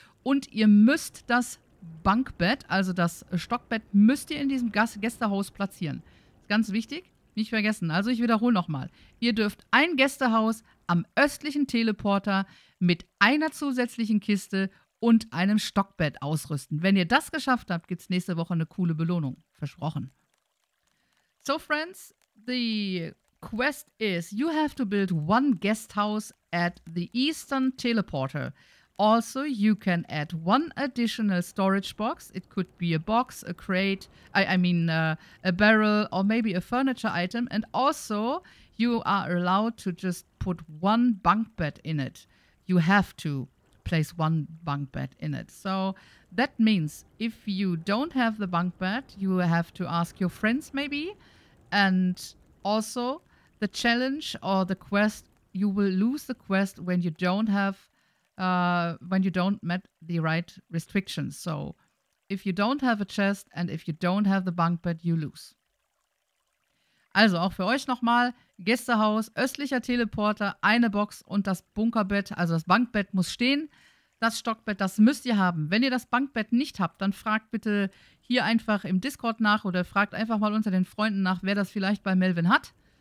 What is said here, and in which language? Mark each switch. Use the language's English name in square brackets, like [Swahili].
[German] Und ihr müsst das Bankbett, also das Stockbett, müsst ihr in diesem Gästehaus platzieren. Ganz wichtig. Nicht vergessen. Also ich wiederhole nochmal. Ihr dürft ein Gästehaus am östlichen Teleporter mit einer zusätzlichen Kiste und einem Stockbett ausrüsten. Wenn ihr das geschafft habt, gibt es nächste Woche eine coole Belohnung. Versprochen. [English] So, friends, the quest is you have to build one guesthouse at the eastern teleporter. Also, you can add one additional storage box. It could be a box, a crate, a barrel, or maybe a furniture item. And also, you are allowed to just put one bunk bed in it. You have to place one bunk bed in it. So, that means if you don't have the bunk bed, you have to ask your friends, maybe. And also, the challenge or the quest, you will lose the quest when you don't have when you don't met the right restrictions. So, if you don't have a chest and if you don't have the bunk bed, you lose. [German] Also, auch für euch nochmal, Gästehaus, östlicher Teleporter, eine Box und das Bunkerbett, also das Bankbett muss stehen. Das Stockbett, das müsst ihr haben. Wenn ihr das Bankbett nicht habt, dann fragt bitte hier einfach im Discord nach oder fragt einfach mal unter den Freunden nach, wer das vielleicht bei Melvin hat.